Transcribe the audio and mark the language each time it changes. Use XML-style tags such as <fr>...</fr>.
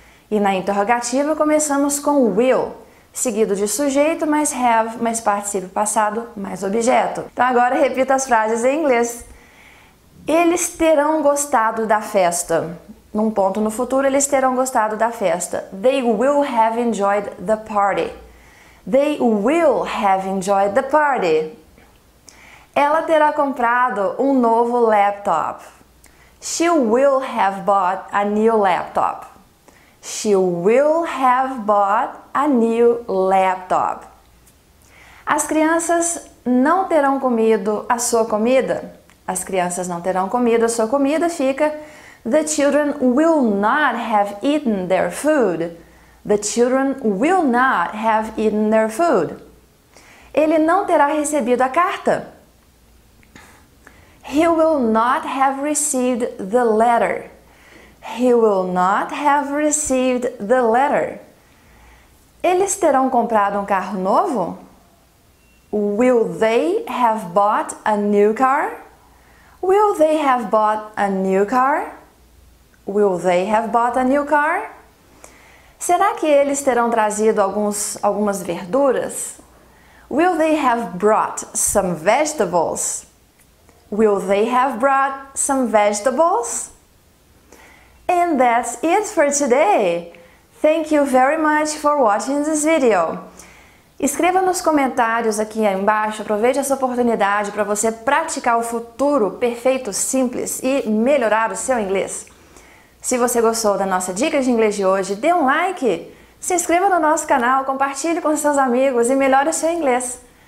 <pt>E na interrogativa começamos com will, seguido de sujeito mais have mais particípio passado mais objeto. Então agora repita as frases em inglês. Eles terão gostado da festa. Num ponto no futuro, eles terão gostado da festa.</pt> <en>They will have enjoyed the party. They will have enjoyed the party.</en> <pt>Ela terá comprado um novo laptop.</pt> <en>She will have bought a new laptop. She will have bought a new laptop.</en> <pt>As crianças não terão comido a sua comida. As crianças não terão comido a sua comida. Fica:</pt> <en>The children will not have eaten their food. The children will not have eaten their food.</en> <pt>Ele não terá recebido a carta.</pt> <en>He will not have received the letter. He will not have received the letter.</en> <pt>Eles terão comprado um carro novo?</pt> <en>Will they have bought a new car? Will they have bought a new car? Will they have bought a new car?</en> <pt>Será que eles terão trazido algumas verduras?</pt> <en>Will they have brought some vegetables? Will they have brought some vegetables? And that's it for today. Thank you very much for watching this video.</en> <pt>Escreva nos comentários aqui embaixo, aproveite essa oportunidade para você praticar o futuro perfeito simples e melhorar o seu inglês. Se você gostou da nossa dica de inglês de hoje, dê um like, se inscreva no nosso canal, compartilhe com seus amigos e melhore o seu inglês.</pt>